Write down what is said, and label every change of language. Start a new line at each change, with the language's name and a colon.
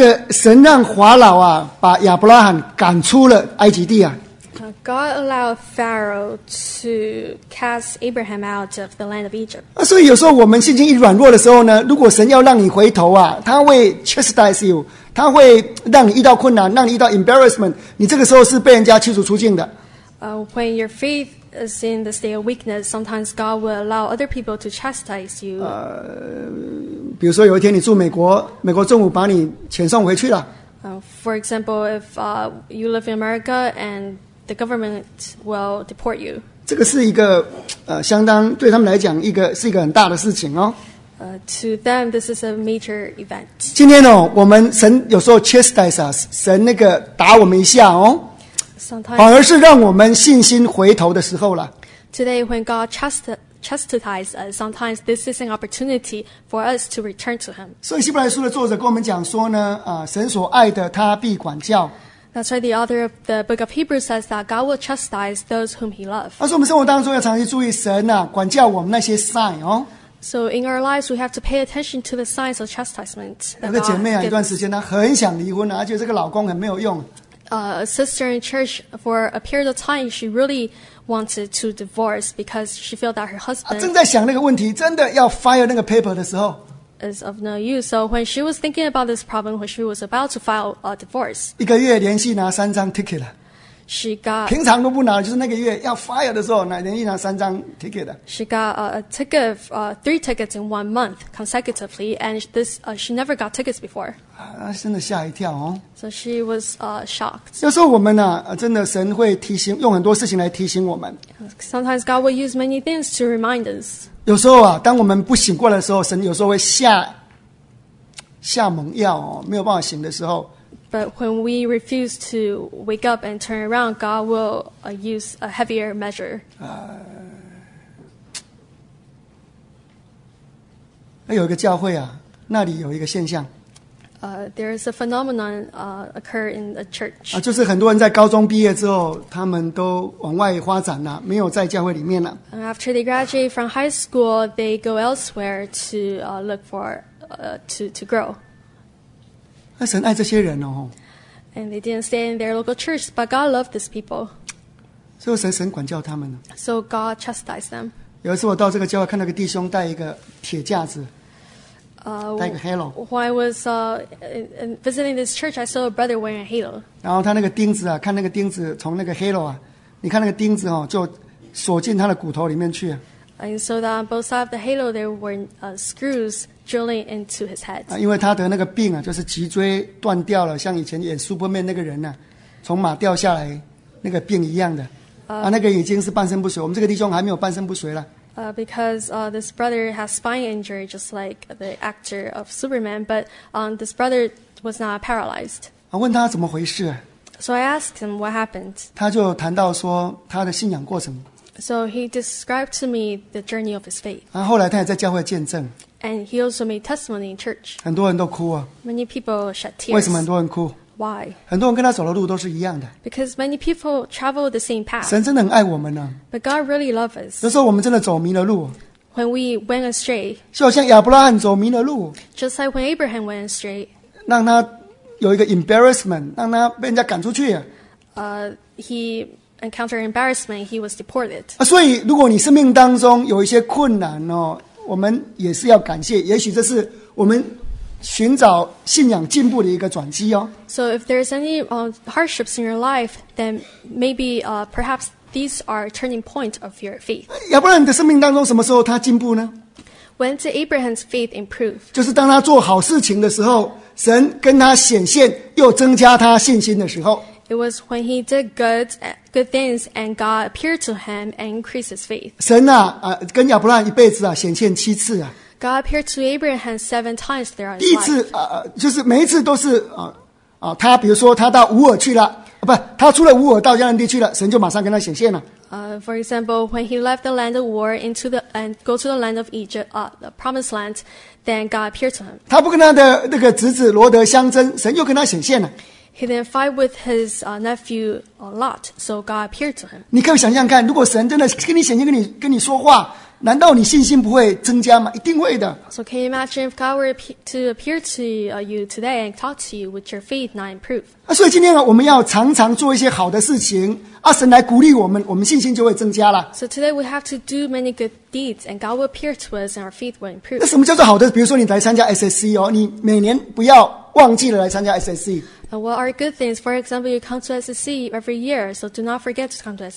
Chinese: 神让法老啊把亚伯拉罕赶出了埃及地啊。
English: God allowed Pharaoh to cast Abraham out of the land of Egypt.
Chinese: 所以有时候我们信心一软弱的时候呢，如果神要让你回头啊，他会
English: chastise you，
Chinese: 他会让你遇到困难，让你遇到 embarrassment， 你这个时候是被人家驱逐出境的。
English: When your faith is in the state of weakness, sometimes God will allow other people to chastise you.
Chinese: 比如说有一天你住美国，美国政府把你遣送回去了。
English: For example, if you live in America and the government will deport you.
Chinese: 这个是一个相当对他们来讲一个是一个很大的事情哦。
English: To them, this is a major event.
Chinese: 今天哦，我们神有时候
English: chastise us，
Chinese: 神那个打我们一下哦。反而是让我们信心回头的时候了。
English: Today, when God chastises us, sometimes this is an opportunity for us to return to Him.
Chinese: 所以希伯来书的作者跟我们讲说呢，神所爱的他必管教。
English: That's why the author of the book of Hebrews says that God will chastise those whom He loves.
Chinese: 而是我们生活当中要常常注意神啊管教我们那些 sign 哦。
English: So in our lives, we have to pay attention to the signs of chastisement.
Chinese: 有个姐妹啊，一段时间她很想离婚啊，而且这个老公很没有用。
English: A sister in church for a period of time, she really wanted to divorce because she felt that her husband
Chinese: 正在想那个问题，真的要 file 那个 paper 的时候
English: is of no use. So when she was thinking about this problem, when she was about to file a divorce,
Chinese: 一个月连续拿三张 ticket 了
English: she got
Chinese: 平常都不拿，就是那个月要 file 的时候，连续拿三张 ticket 了
English: She got three tickets in 1 month consecutively, and she never got tickets before.
Chinese: 真的吓一跳哦。
English: So she was shocked.
Chinese: 有时候我们呢、真的神会提醒，用很多事情来提醒我们。
English: Sometimes God will use many things to remind us.
Chinese: 有时候啊，当我们不醒过来的时候，神有时候会下猛药哦，没有办法醒的时候。
English: But when we refuse to wake up and turn around, God will use a heavier measure.
Chinese: 有一个教会啊，那里有一个现象。
English: There is a phenomenon occur in a church.
Chinese: 就是很多人在高中毕业之后，他们都往外发展了，没有在教会里面了。
English: And after they graduate from high school, they go elsewhere to look for to grow.
Chinese: 那神爱这些人哦。
English: And they didn't stay in their local church, but God loved these people.
Chinese: 所以神管教他们呢。
English: So God chastised them.
Chinese: 有一次我到这个教会，看到一个弟兄带一个铁架子。戴个 halo.
English: When I was visiting this church, I saw a brother wearing a halo.
Chinese: 然后他那个钉子啊，看那个钉子从那个 halo 啊，你看那个钉子哦，就锁进他的骨头里面去。
English: And so that on both sides of the halo, there were screws drilling into his head.
Chinese: 因为他得那个病啊，就是脊椎断掉了，像以前演 Superman 那个人呐、从马掉下来那个病一样的。那个已经是半身不遂，我们这个弟兄还没有半身不遂了。
English: Because this brother has spine injury, just like the actor of Superman, but this brother was not paralyzed.
Chinese: 问他怎么回事
English: ？So I asked him what happened.
Chinese: 他就谈到说他的信仰过程。
English: So he described to me the journey of his faith.
Chinese: 后来他也在教会见证。
English: And he also made testimony in church.
Chinese: 很多人都哭啊。
English: Many people shed tears.
Chinese: 为什么很多人哭
English: ？Why?
Chinese: 很多人跟他走的路都是一样的。
English: Because many people travel the same path.
Chinese: 神真的很爱我们呢、
English: But God really loves us.
Chinese: 有时候我们真的走迷了路。
English: When we went astray.
Chinese: 就好像亚伯拉罕走迷了路。
English: Just like when Abraham went astray.
Chinese: 让他有一个 embarrassment， 让他被人家赶出去。
English: He encountered embarrassment. He was deported.
Chinese: 所以如果你生命当中有一些困难哦，我们也是要感谢，也许这是我们寻找信仰进步的一个转机哦。
English: So if there's any hardships in your life, then maybe perhaps These are turning points of your faith.
Chinese: 亚伯拉罕的生命当中什么时候他进步呢？
English: When did Abraham's faith improve?
Chinese: 就是当他做好事情的时候，神跟他显现又增加他信心的时候。
English: It was when he did good things and God appeared to him and increased his faith.
Chinese: 神啊，跟亚伯拉罕一辈子啊，显现七次啊。
English: God appeared to Abraham 7 times throughout his life.
Chinese: 第一次啊，就是每一次都是啊啊，他比如说他到乌尔去了，不，他出了乌尔到迦南地去了，神就马上跟他显现了。
English: For example, when he left the land of Ur into the and go to the land of Egypt, the promised land, then God appeared to him.
Chinese: 他不跟他的那个侄子罗德相争，神又跟他显现了。
English: He didn't fight with his nephew a lot, so God appeared to him.
Chinese: 你可以想象看，如果神真的跟你显现，跟你说话，难道你信心不会增加吗？一定会的。
English: So can you imagine if God were to appear to you today and talk to you, would your faith not improve?
Chinese: 所以今天呢，我们要常常做一些好的事情，神来鼓励我们，我们信心就会增加了。
English: So today we have to do many good deeds, and God will appear to us, and our faith will improve.
Chinese: 那什么叫做好的？比如说你来参加 SSC 哦，你每年不要忘记了来参加 SSC。
English: What are good things? For example, you come to SSC every year, so do not forget to come to SSC.